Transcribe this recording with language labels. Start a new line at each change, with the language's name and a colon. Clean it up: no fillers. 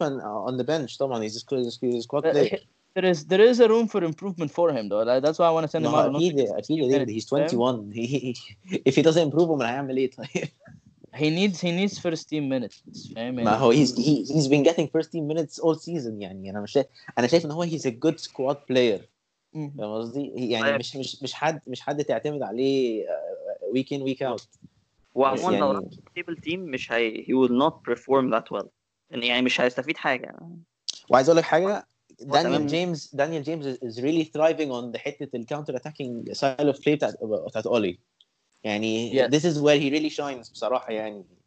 English: I'll keep him on the bench. There is a room for improvement for him, though. That's why I want to send him out on loan. He's 21. If he doesn't improve, I'm going to have him later. He needs first team minutes. No, he's been getting first team minutes all season.
Arabic: يعني أنا مش أنا شايف إنه هو
English: he's a good squad player.
Arabic: قصدي يعني مش حد تعتمد عليه
English: week in week out.
Arabic: وعموما لو
English: table team مش هي he will not perform that well.
Arabic: يعني مش هيستفيد حاجة. وعايز أقول لك حاجة.
English: Daniel James is really thriving on the حتة the counter attacking style of play that Oli. يعني yes. This is where he really shines
Arabic: بصراحة يعني.